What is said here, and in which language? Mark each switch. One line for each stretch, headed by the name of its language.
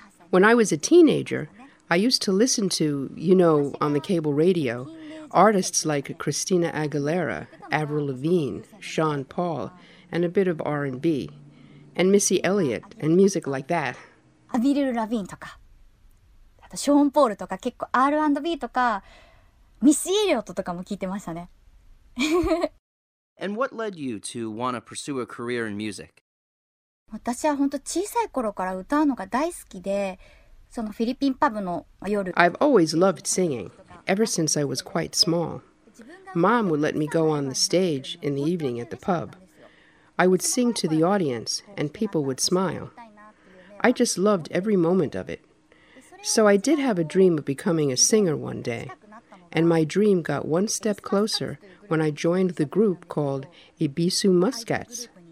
English: When I was a teenager, I used to listen to, you know, on the cable radio, artists like Christina Aguilera, Avril Lavigne, Sean Paul, and a bit of R&B, and Missy Elliott, and music like that.
Japanese: Avril Lavigne とか、あとショーン・ポールとか、結構 R&B とか、ミッシー・エリオットとかも聞いてましたね。
English: And what led you to want to pursue a career in music?
Japanese: 私は本当小さい頃から歌うのが大好きで、そのフィリピンパブの夜。
English: I've always loved singing, ever since I was quite small. Mom would let me go on the stage in the evening at the pub. I would sing to the audience, and people would smile. I just loved every moment of it. So I did have a dream of becoming a singer one day, and my dream got one step closer when I joined the group called Ibisu Muscats.